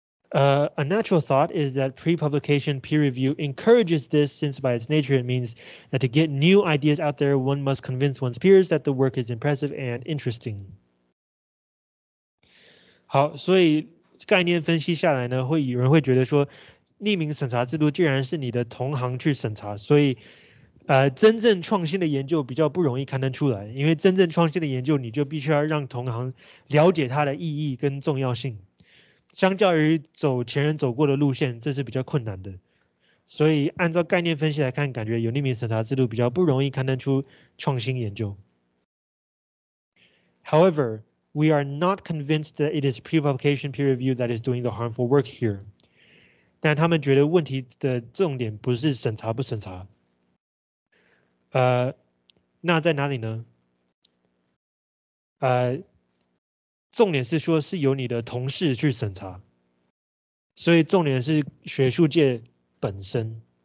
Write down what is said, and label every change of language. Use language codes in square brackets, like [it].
[en] A natural thought is that pre-publication peer review encourages this, since by its nature it means that to get new ideas out there, one must convince one's peers that the work is impressive and interesting. [zh] 好，所以概念分析下来呢，会有人会觉得说，匿名审查制度既然是你的同行去审查，所以真正创新的研究比较不容易刊登出来，因为真正创新的研究，你就必须要让同行了解它的意义跟重要性。相较于走前人走过的路线，这是比较困难的。所以按照概念分析来看，感觉有匿名审查制度比较不容易刊登出创新研究。 [en] However, we are not convinced that it is pre-publication peer review that is doing the harmful work here. [zh] 但他们觉得问题的重点不是审查不审查。那在哪里呢？重点是说是由你的同事去审查，所以重点是学术界本身。